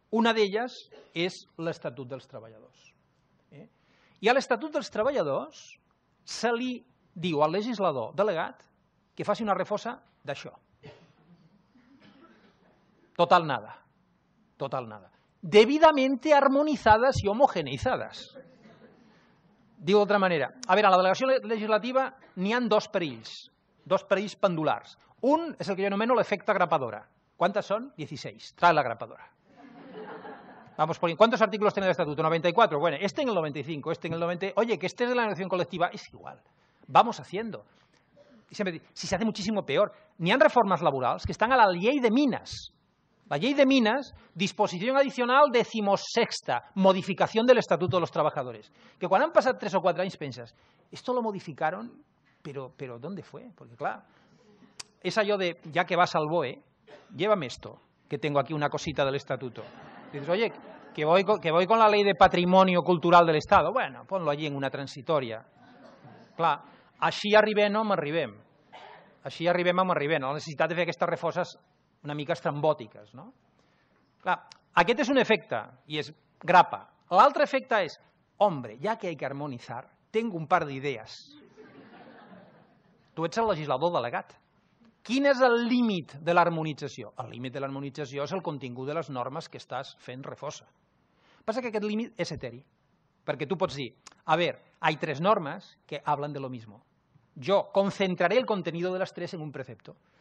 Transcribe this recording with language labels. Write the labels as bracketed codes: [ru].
[ca] Una d'elles és l'Estatut dels Treballadors. I a l'Estatut dels Treballadors se li diu al legislador delegat que faci una refosa d'això. [es] Total nada. Total nada. Debidamente armonizadas y homogeneizadas. [ca] Diu d'altra manera. A veure, a la delegació legislativa n'hi han dos perills pendulars. Un és el que jo anomeno l'efecte grapadora. Quantes són? [es] 16. Trae la grapadora. Vamos por ahí. ¿Cuántos artículos tiene el estatuto? 94. Bueno, este en el 95, este en el 90. Oye, que este es de la negociación colectiva. Es igual. Vamos haciendo. Y siempre, si se hace muchísimo peor. Ni han reformas laborales que están a la ley de minas. La ley de minas, disposición adicional 16ª, modificación del estatuto de los trabajadores. Que cuando han pasado 3 o 4 años, pensas, esto lo modificaron, pero ¿dónde fue? Porque claro, es allo de, ya que vas al BOE, llévame esto, que tengo aquí una cosita del estatuto. Dices, oye, que voy con la ley de patrimonio cultural del Estado. Bueno, ponlo allí en una transitoria. [ca] Clar, així arribem o no arribem. Així arribem o no arribem. La necessitat de fer aquestes refoses una mica estrambòtiques. No? Clar, aquest és un efecte i és grapa. L'altre efecte és, hombre, ja que hay que harmonizar, tinc un par d'idees. Tu ets el legislador delegat. Quin és el límit de l'harmonització? El límit de l'harmonització és el contingut de les normes que estàs fent refosa. Passa que aquest límit és eteri, perquè tu pots dir, a veure, [es] hay tres normes que hablan de lo mismo. [ca] Jo concentraré el contenido de les tres en un precepto.